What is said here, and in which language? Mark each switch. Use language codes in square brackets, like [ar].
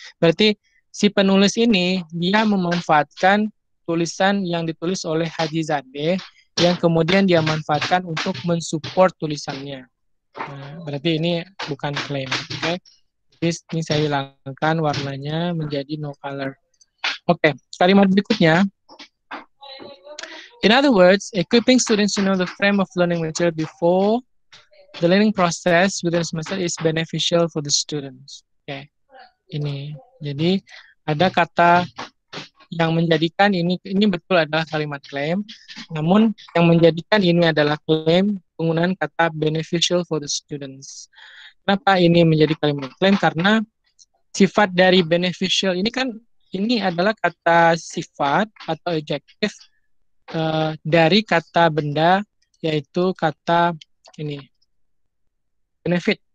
[id] Berarti si penulis ini, dia memanfaatkan tulisan yang ditulis oleh Haji Zadeh yang kemudian dia manfaatkan untuk mensupport tulisannya. Nah, berarti ini bukan claim. Okay? Ini saya hilangkan warnanya menjadi [en] no color. [id] Oke, kalimat berikutnya. [en] In other words, equipping students to know the frame of learning material before the learning process within a semester is beneficial for the students. [id] Oke, ini. Jadi, ada kata yang menjadikan ini betul adalah kalimat claim, namun yang menjadikan ini adalah claim penggunaan kata [en] beneficial for the students. [id] Kenapa ini menjadi kalimat claim? Karena sifat dari beneficial ini kan, ini adalah kata sifat atau adjective dari kata benda, yaitu kata ini, benefit.